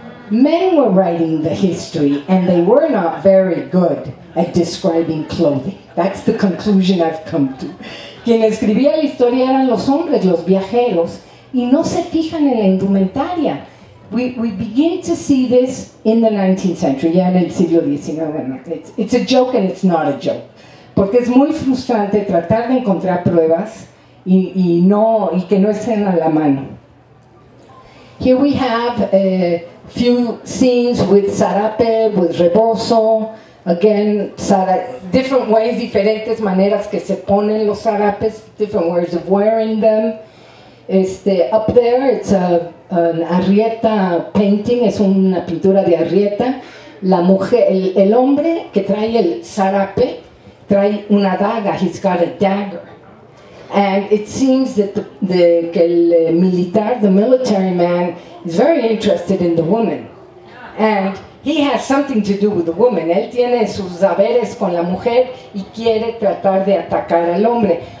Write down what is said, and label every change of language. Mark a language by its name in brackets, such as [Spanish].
[English] Men were writing the history, and they were not very good at describing clothing. That's the conclusion I've come to. [Spanish] Quien escribía la historia eran los hombres, los viajeros, y no se fijan en la indumentaria. [English] We begin to see this in the 19th century, [Spanish] ya en el siglo XIX. [English] It's a joke and it's not a joke. [Spanish] Porque es muy frustrante tratar de encontrar pruebas y que no estén a la mano. [English] Here we have a few scenes with sarape, with rebozo. Again, different ways, [Spanish] diferentes maneras que se ponen los sarapes, [English] different ways of wearing them. Up there, it's an Arrieta painting, [Spanish] es una pintura de Arrieta. La mujer, el hombre que trae el sarape, trae una daga, [English] he's got a dagger. And it seems that the military man, is very interested in the woman. And he has something to do with the woman. [Spanish] Él tiene sus haberes con la mujer y quiere tratar de atacar al hombre.